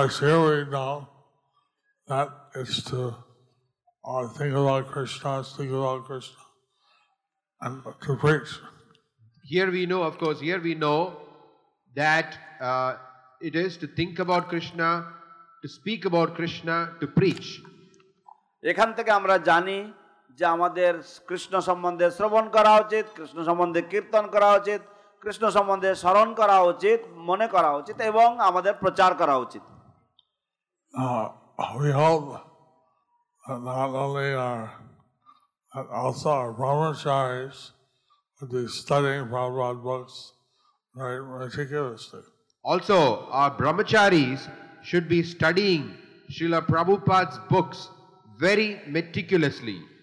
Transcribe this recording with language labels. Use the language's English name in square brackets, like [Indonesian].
[English] That is to think about Krishna, think about Krishna, and to preach. Here we know that it is to think about Krishna, to speak about Krishna, to preach. [Bangla] এখান থেকে আমরা জানি যে আমাদের কৃষ্ণ সম্বন্ধে শ্রবণ করা উচিত, কৃষ্ণ সম্বন্ধে কীর্তন করা উচিত, কৃষ্ণ সম্বন্ধে স্মরণ করা উচিত, মনে করা উচিত এবং আমাদের প্রচার করা উচিত। [English] We hope that not only our, that also our brahmacharis would be studying Prabhupada books very meticulously. Also, our brahmacharis should be studying Srila Prabhupada's books very meticulously.